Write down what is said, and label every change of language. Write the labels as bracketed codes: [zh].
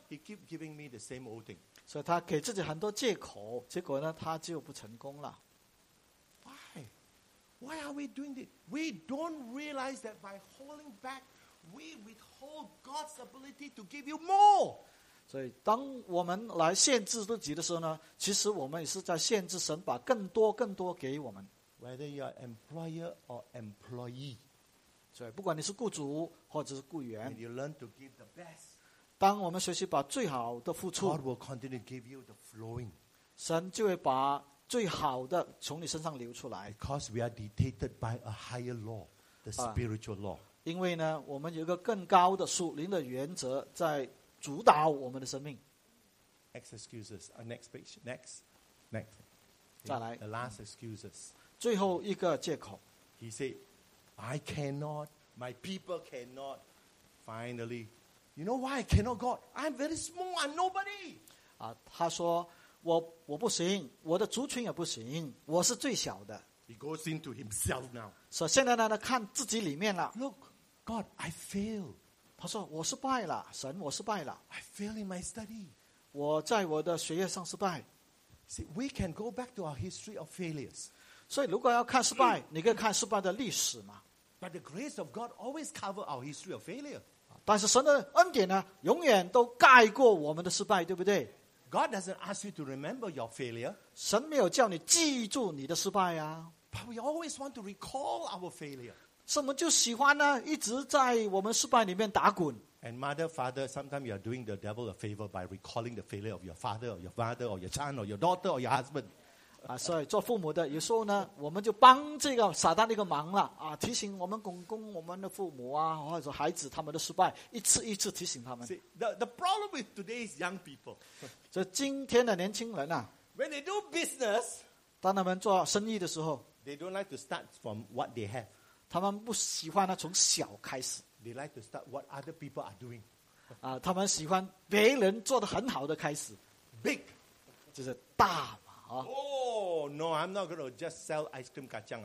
[en] He keep giving me the same old thing. So he gave himself a lot of excuses. [zh] 结果呢他就不成功了。 [en] Why? Why are we doing this? We don't realize that by holding back, we withhold God's ability to give you more. [zh] 所以当我们来限制自己的时候呢，其实我们也是在限制神把更多更多给我们。 [en] Whether you are employer or employee. [zh] 所以不管你是雇主或者是雇员。 [en] And you learn to give the best. [zh] 当我们学习把最好的付出。 [en] God will continue to give you the flowing. [zh] 神就会把最好的从你身上流出来。 [en] Because we are dictated by a higher law, the spiritual law. [zh] 因为呢我们有一个更高的属灵的原则在主导我们的生命。 [en] Excuses. Next page. Next. Next. [zh] Okay. 再来。 [en] The last excuses. [zh] 最后一个借口 [en] He said I cannot My people cannot Finally You know why I cannot God I'm very small I'm nobody [zh] 他说 我不行我的族群也不行我是最小的 [en] He goes into himself now [zh] 所以现在呢他看自己里面了 [en] Look God I fail [zh] 他说我失败了神我失败了 [en] I fail in my study [zh] 我在我的学业上失败 [en] See we can go back to our history of failures [zh] 所以如果要看失败你可以看失败的历史嘛 [en] But the grace of God always covers our history of failure [zh] 但是神的恩典呢永远都盖过我们的失败对不对 [en] God doesn't ask you to remember your failure [zh] 神没有叫你记住你的失败啊 [en] But we always want to recall our failure [zh] 什么就喜欢呢一直在我们失败里面打滚 [en] And mother, father, sometimes you are doing the devil a favor by recalling the failure of your father or your mother or your son or your daughter or your husband [zh] 所以做父母的有时候呢我们就帮这个撒旦一个忙了提醒我们公公我们的父母啊或者孩子他们的失败一次一次提醒他们 [en] See, the problem with today's young people [zh] 所以今天的年轻人 [en] when they do business [zh] 当他们做生意的时候 [en] They don't like to start from what they have. [zh] 他们不喜欢呢从小开始。 [en] They like to start what other people are doing. [zh] 啊，他们喜欢别人做的很好的开始。 [en] Big, [zh] 就是大嘛，啊。 [en] Oh no, I'm not going to just sell ice cream kacang.